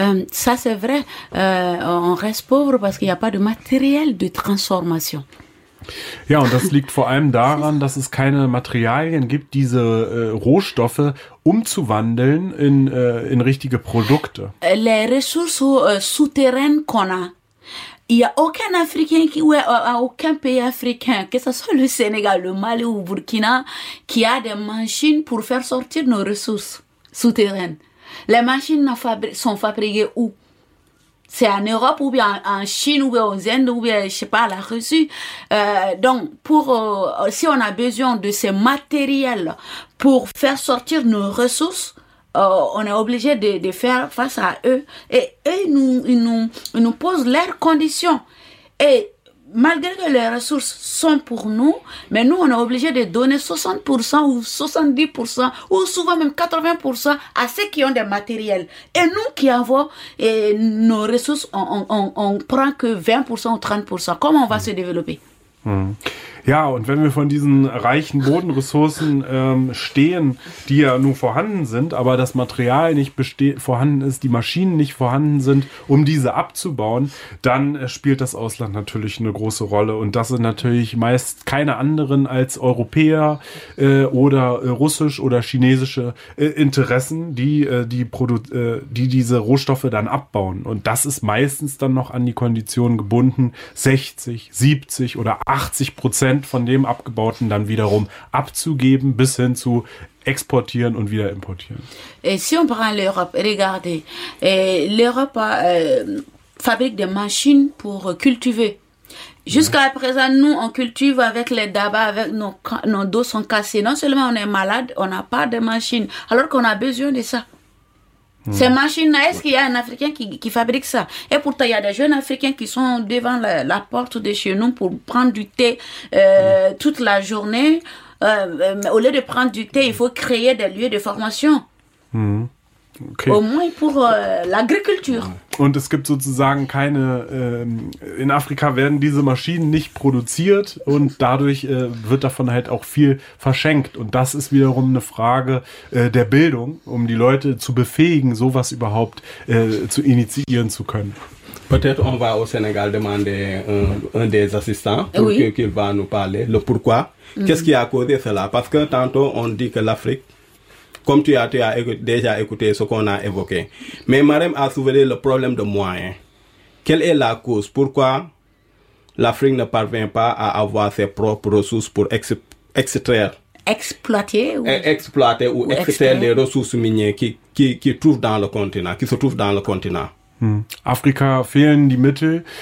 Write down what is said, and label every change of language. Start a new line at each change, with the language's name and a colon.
French: Ça c'est vrai, on reste pauvre parce qu'il y a pas de matériel de transformation.
German: Ja, und das liegt vor allem daran, dass es keine Materialien gibt, diese Rohstoffe umzuwandeln in richtige Produkte.
French: Les ressources souterraines qu'on a. Il y a aucun Africain qui, aucun pays africain, que ce soit le Sénégal, le Mali ou Burkina, qui a des machines pour faire sortir nos ressources souterraines. Les machines sont fabriquées où? C'est en Europe ou bien en Chine ou bien aux Indes ou bien, je sais pas, la Russie. Donc, pour si on a besoin de ces matériels pour faire sortir nos ressources, on est obligé de faire face à eux. Et eux, ils nous posent leurs conditions. Et malgré que les ressources sont pour nous, mais nous, on est obligé de donner 60% ou 70% ou souvent même 80% à ceux qui ont des matériels. Et nous qui avons et nos ressources, on prend que 20% ou 30%. Comment on va se développer?
German: Ja, und wenn wir von diesen reichen Bodenressourcen stehen, die ja nun vorhanden sind, aber das Material nicht vorhanden ist, die Maschinen nicht vorhanden sind, um diese abzubauen, dann spielt das Ausland natürlich eine große Rolle. Und das sind natürlich meist keine anderen als Europäer oder russisch oder chinesische Interessen, die diese Rohstoffe dann abbauen. Und das ist meistens dann noch an die Konditionen gebunden, 60, 70 oder 80% von dem Abgebauten dann wiederum abzugeben, bis hin zu exportieren und wieder importieren.
French: Et si on prend l'Europe, regardez, l'Europe fabrique des machines pour cultiver. Jusqu'à présent, nous, on cultive avec les dabas, avec nos dos sont cassés. Non seulement on est malade, on n'a pas de machines, alors qu'on a besoin de ça. Ces machines-là, est-ce qu'il y a un Africain qui fabrique ça? Et pourtant, il y a des jeunes Africains qui sont devant la porte de chez nous pour prendre du thé toute la journée. Au lieu de prendre du thé, il faut créer des lieux de formation. Okay. Au moins pour l'agriculture.
German: Und es gibt sozusagen keine, in Afrika werden diese Maschinen nicht produziert und dadurch wird davon halt auch viel verschenkt. Und das ist wiederum eine Frage der Bildung, um die Leute zu befähigen, sowas überhaupt zu initiieren zu können.
French: Peut-être on va au Sénégal demander un des assistants pour qu'il va nous parler. Le pourquoi? Qu'est-ce qui a causé cela? Parce que tantôt on dit que l'Afrique, comme tu as déjà écouté ce qu'on a évoqué. Mais Marem a soulevé le problème de moyens. Quelle est la cause? Pourquoi l'Afrique ne parvient pas à avoir ses propres ressources pour extraire? Exploiter ou extraire les ressources minières qui se trouvent dans le continent.
German: Afrika fehlen die Mittel.